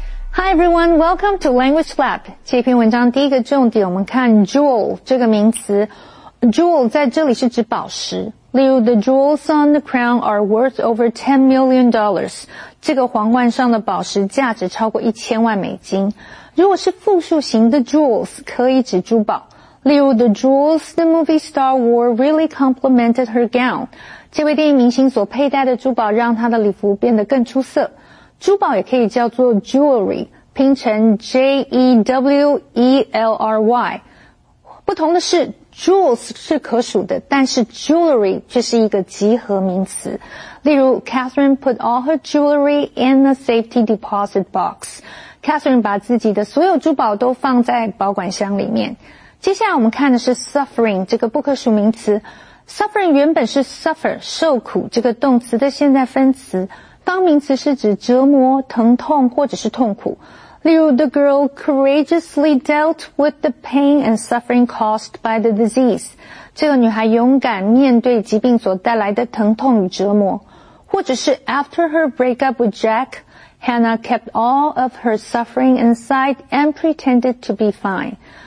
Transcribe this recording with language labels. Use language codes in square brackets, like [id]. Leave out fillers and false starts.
[en] Hi everyone, welcome to Language Lab. [zh] 这篇文章第一个重点，我们看 jewel 这个名词。 Jewel 在这里是指宝石。例如 [en] the jewels on the crown are worth over $10 million. [zh] 这个皇冠上的宝石价值超过$10,000,000。如果是复数型的 jewels, 可以指珠宝。例如 [en] the jewels the movie star wore really complemented her gown. [zh] 这位电影明星所佩戴的珠宝让她的礼服变得更出色。珠宝也可以叫做 jewelry, 拼成 J-E-W-E-L-R-Y。不同的是Jewels 是可数的，但是 jewelry 却是一个集合名词。例如 [en] ,Catherine put all her jewelry in a safety deposit box. [zh] Catherine 把自己的所有珠宝都放在保管箱里面。接下来我们看的是 suffering, 这个不可数名词。Suffering 原本是 suffer, 受苦这个动词的现在分词。当名词是指折磨、疼痛或者是痛苦。例如 [en] the girl courageously dealt with the pain and suffering caused by the disease. [zh] 这个女孩勇敢面对疾病所带来的疼痛与折磨。或者是 [en] after her breakup with Jack, Hannah kept all of her suffering inside and pretended to be fine.